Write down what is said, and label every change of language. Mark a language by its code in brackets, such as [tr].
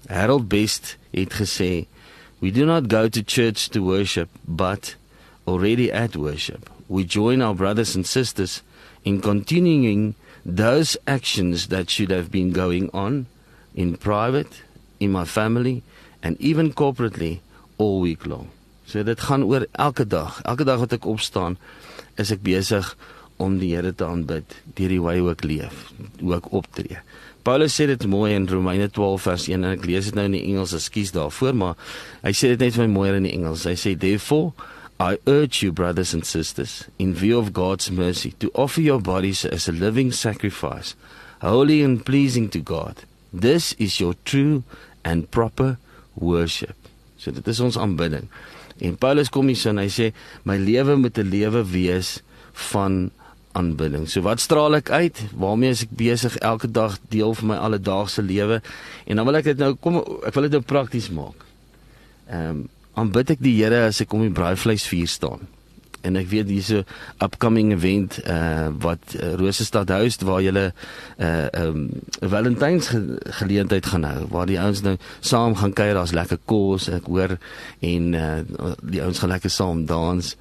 [af] Harold Best het gesê, [en] we do not go to church to worship, but already at worship, we join our brothers and sisters in continuing those actions that should have been going on in private, in my family, and even corporately all week long. [af] So dit gaan oor elke dag. Elke dag wat ek opstaan, is ek besig om die Here te aanbid, deur die wy ook leef, hoe ek optree. Paulus sê dit mooi in Romeine 12 vers 1, en ek lees dit nou in die Engels, excuse daarvoor, maar hy sê dit net vir my mooier in die Engels. Hy sê, [en] therefore, I urge you, brothers and sisters, in view of God's mercy, to offer your bodies as a living sacrifice, holy and pleasing to God. This is your true and proper worship. [af] So dit is ons aanbidding. En Paulus kom hier so en hy sê, my lewe moet 'n lewe wees van aanbidding. So wat straal ek uit? Waarmee is ek besig elke dag deel van my alledaagse lewe? En dan wil ek dit nou, ek wil dit nou prakties maak. Aanbid ek die Here as ek om die braaivleisvuur staan. En ek weet hier so [en] upcoming event [af] wat Rosestad host, waar jylle Valentine's geleentheid gaan hou, waar die ouens nou saam gaan kuier, daar's lekker kos, ek hoor, en die ouens gaan lekker saam dans.